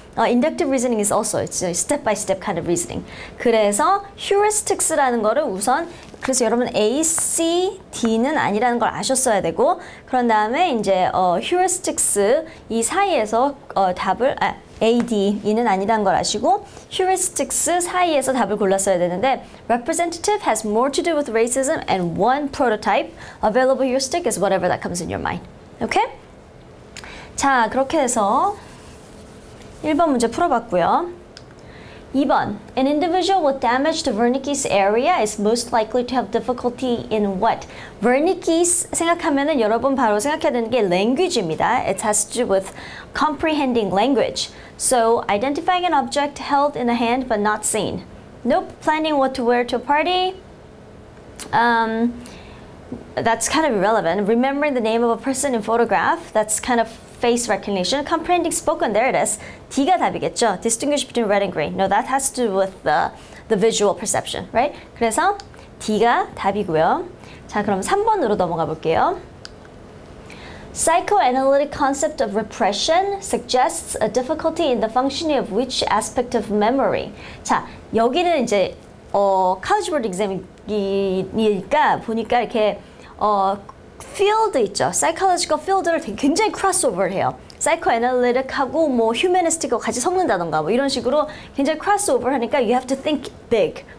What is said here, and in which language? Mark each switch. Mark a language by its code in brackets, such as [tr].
[en] Inductive reasoning is also it's a step-by-step kind of reasoning. [ko] 그래서 heuristics라는 거를 우선 그래서 여러분 A, C, D는 아니라는 걸 아셨어야 되고 그런 다음에 이제 heuristics 이 사이에서 답을 AD는 아니란 걸 아시고 heuristics 사이에서 답을 골랐어야 되는데 [en] representative has more to do with racism and one prototype available heuristic is whatever that comes in your mind. Okay? [ko] 자, 그렇게 해서 1번 문제 풀어봤고요. 2번. [en] An individual with damage to Wernicke's area is most likely to have difficulty in what? [ko] Wernicke's 생각하면은 여러분 바로 생각해야 되는 게 language입니다. [en] It has to do with comprehending language. So, identifying an object held in a hand but not seen. Nope. Planning what to wear to a party. That's kind of irrelevant. Remembering the name of a person in photograph. That's kind of face recognition. Comprehending spoken. There it is. [ko] D가 답이겠죠. [en] Distinguish between red and green. No, that has to do with the visual perception, right? [ko] 그래서 D가 답이고요. 자, 그럼 3번으로 넘어가 볼게요. [en] Psychoanalytic concept of repression suggests a difficulty in the functioning of which aspect of memory? [ko] 자, 여기는 이제 college board exam이니까 보니까 이렇게 field 있죠. Psychological field를 굉장히 crossover 해요. Psychoanalytic하고 뭐 humanistic하고 같이 섞는다던가 뭐 이런 식으로 굉장히 crossover 하니까 [en] you have to think big.